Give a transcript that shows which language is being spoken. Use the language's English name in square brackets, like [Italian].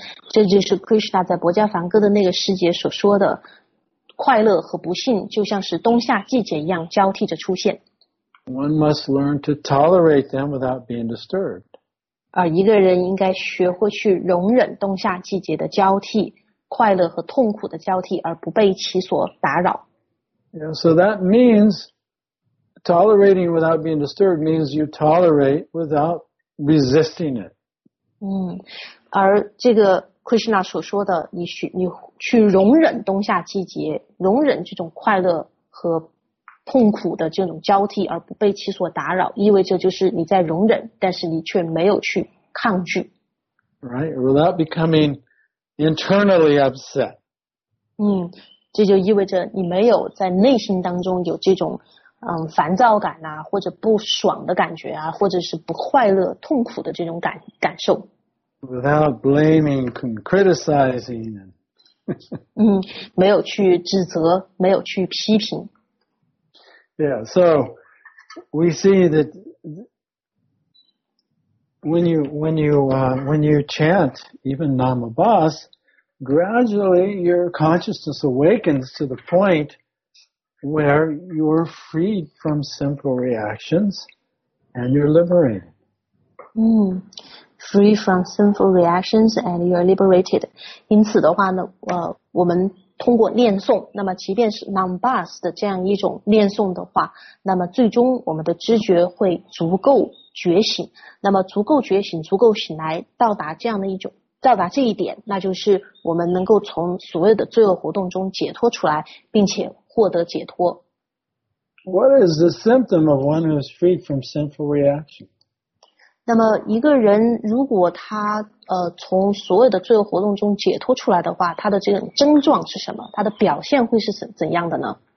[Chinese] 这就是 Krishna 在薄伽梵歌的那个诗节所说的，快乐和不幸就像是冬夏季节一样交替着出现。 [English] One must learn to tolerate them without being disturbed. [Chinese] 一个人应该学会去容忍冬夏季节的交替，快乐和痛苦的交替，而不被其所打扰。 [English] Yeah, so that means tolerating without being disturbed means you tolerate without resisting it. [Chinese] 而这个 Krishna 所说的，你去容忍冬夏季节，容忍这种快乐和痛苦的这种交替而不被其所打扰，意味着就是你在容忍，但是你却没有去抗拒。 [English] Right, without becoming internally upset. [Chinese] 这就意味着你没有在内心当中有这种烦躁感啊，或者不爽的感觉啊，或者是不快乐、痛苦的这种感受。 [English] Without blaming and criticizing. [Chinese] 没有去指责，没有去批评。 [English] Yeah, so we see that when you chant even Nama Bas, gradually your consciousness awakens to the point where you're freed from simple reactions and you're liberated. Free from simple reactions and you're liberated. [Chinese] 因此的话呢，我们通过念诵，那么即便是 non-bus 的这样一种念诵的话，那么最终我们的知觉会足够觉醒，那么足够觉醒，足够醒来，到达这样的一种，到达这一点，那就是我们能够从所有的罪恶活动中解脱出来，并且获得解脱。 [English] What is the symptom of one who is free from sinful reaction? [Chinese] 那么一个人如果他从所有的罪恶活动中解脱出来的话，他的这种症状是什么？他的表现会是怎样的呢？